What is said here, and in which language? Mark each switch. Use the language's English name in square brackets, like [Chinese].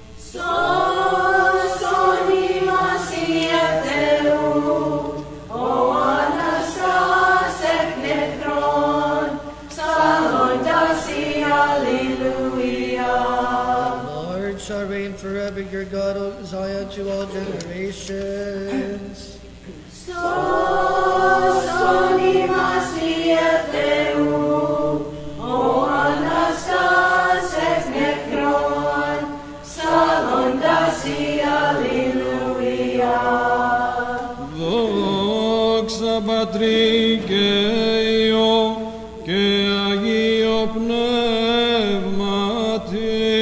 [Greek] Σώσον ημάς, Υιέ Θεού, ο Αναστάς εκ νεκρών, ψαλώντας η Αλληλούια. [English] The Lord shall reign forever, your God, O Zion, to all generations. [Greek] Σώσον ημάς, Υιέ Θεού, ο Αναστάς εκ νεκρών, ψαλώντας η Αλληλούια. Δόξα Πατρί και Υιώ και Αγίω Πνεύματι.